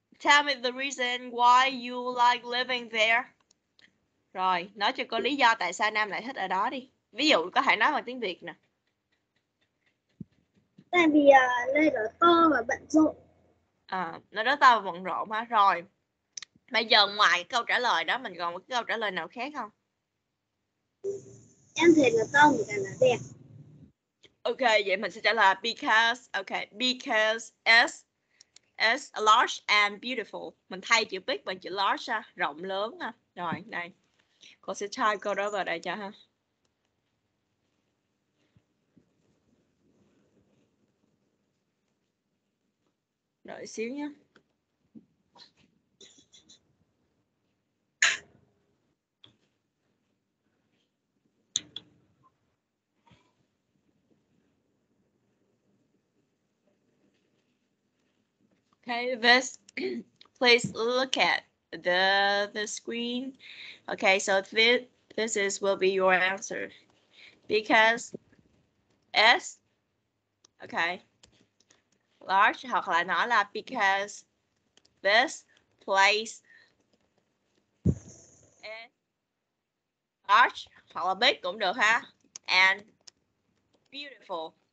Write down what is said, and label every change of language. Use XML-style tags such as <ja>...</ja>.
<en>Tell me the reason why you like living there.</en> <vi>Rồi, nói cho cô lý do tại sao Nam lại thích ở đó đi. Ví dụ, có thể nói bằng tiếng Việt nè. Tại vì nơi đó to và bận rộn. À, nơi đó to và bận rộn ha. Rồi, bây giờ ngoài câu trả lời đó, mình còn một câu trả lời nào khác không? Em thấy nó to mà càng là đẹp.</vi> <en>Ok,</en> <vi>vậy mình sẽ trả lời</vi> <en>because, okay, because as is large and beautiful.</en> <vi>Mình thay chữ big bằng chữ large ha, rộng lớn ha. Rồi, đây. Cô sẽ type câu đó vào đây cho ha. Đợi xíu nhé.</vi> <en>Okay, this, please look at the screen. Okay, so this is will be your answer. Because S, okay, large,</en> <vi>hoặc là nó là</vi> <en>because this place is large, hoặc là big</en> <vi>cũng được ha,</vi> <en>and beautiful.</en>